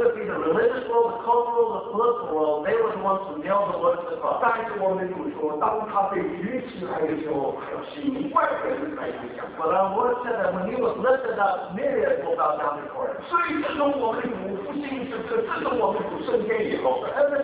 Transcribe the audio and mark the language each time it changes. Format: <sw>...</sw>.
<en>if it's the religious world, the cultural world, the political world, they were the ones who nailed the Lord to the cross.</en> <zh>但是我们主说，当他被举起来的时候，还有几万人在底下。</zh> <en>But our Lord said that when he was lifted up, myriads will bow down before him.</en> <zh>所以自从我们主复兴之后，自从我们主升天以后，</zh> <en>Ever</en>